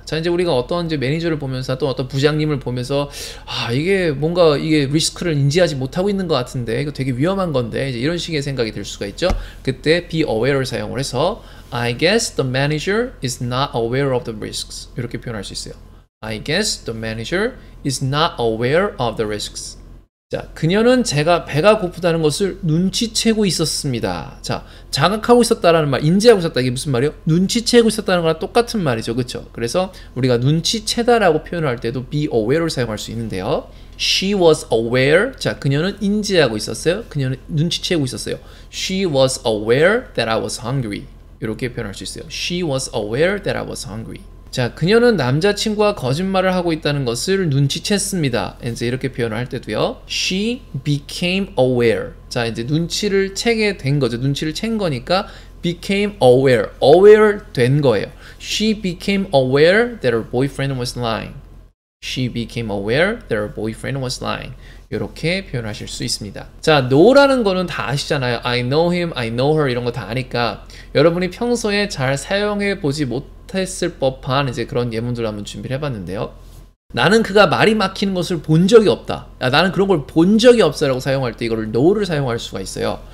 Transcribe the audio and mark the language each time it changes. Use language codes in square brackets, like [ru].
[ko] 자, 이제 우리가 어떤 이제 매니저를 보면서 또 어떤 부장님을 보면서 아, 이게 뭔가 이게 리스크를 인지하지 못하고 있는 것 같은데 이거 되게 위험한 건데 이제 이런 식의 생각이 들 수가 있죠. 그때 be aware를 사용을 해서 [en] I guess the manager is not aware of the risks. [ko] 이렇게 표현할 수 있어요. [en] I guess the manager is not aware of the risks. [ko] 자, 그녀는 제가 배가 고프다는 것을 눈치채고 있었습니다. 자, 자각하고 있었다라는 말, 인지하고 있었다. 이게 무슨 말이에요? 눈치채고 있었다는 거랑 똑같은 말이죠. 그쵸? 그래서 우리가 눈치채다라고 표현할 때도 be aware를 사용할 수 있는데요. [en] She was aware. [ko] 자, 그녀는 인지하고 있었어요. 그녀는 눈치채고 있었어요. [en] She was aware that I was hungry. [ko] 이렇게 표현할 수 있어요. [en] She was aware that I was hungry. [ko] 자, 그녀는 남자친구와 거짓말을 하고 있다는 것을 눈치챘습니다. 이제 이렇게 표현을 할 때도요. [en] She became aware. [ko] 자, 이제 눈치를 채게 된 거죠. 눈치를 챈 거니까 [en] became aware. [ko] aware 된 거예요. [en] She became aware that her boyfriend was lying. She became aware that her boyfriend was lying. [ko] 이렇게 표현하실 수 있습니다. 자, know라는 거는 다 아시잖아요. [en] I know him, I know her [ko] 이런 거다 아니까 여러분이 평소에 잘 사용해 보지 못 했을 법한 이제 그런 예문들을 한번 준비를 해봤는데요. 나는 그가 말이 막히는 것을 본 적이 없다. 야, 나는 그런 걸본 적이 없어라고 사용할 때 이거를 know를 사용할 수가 있어요.